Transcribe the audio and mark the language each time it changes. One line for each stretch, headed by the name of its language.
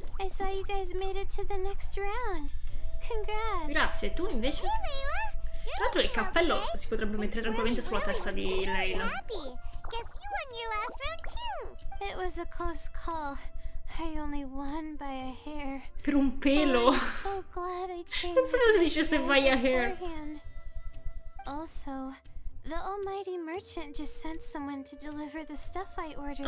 English: I saw you guys made it to the next round. Congrats.
Italian: Grazie, tu invece?
English: Hey, Layla.
Italian: Tra l'altro il cappello si potrebbe mettere tranquillamente sulla testa di Layla.
English: Guess you won your last round too. It was a close call. I only won by a hair.
Italian: Per un pelo.
English: So glad I changed.
Italian: Non so cosa si dice se vai
English: a hair. Also, the almighty merchant just sent someone to deliver the stuff I ordered.